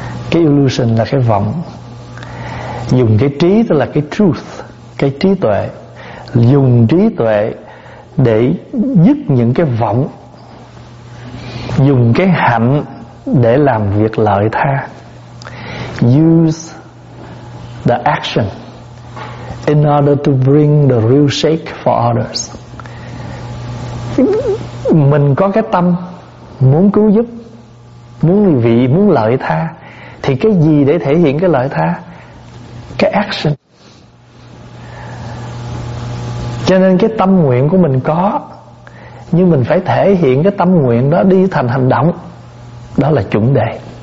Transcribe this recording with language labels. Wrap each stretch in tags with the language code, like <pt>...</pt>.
<vi>Cái illusion là cái vọng. Dùng cái trí, tức là cái truth, cái trí tuệ. Dùng trí tuệ để dứt những cái vọng. Dùng cái hạnh để làm việc lợi tha.</vi> <en>Use the action in order to bring the real shake for others.</en> <vi>Mình có cái tâm muốn cứu giúp, muốn ly vị, muốn lợi tha, thì cái gì để thể hiện cái lợi tha? Cái action. Cho nên cái tâm nguyện của mình có, nhưng mình phải thể hiện cái tâm nguyện đó đi thành hành động. Đó là chuẩn đề.</vi>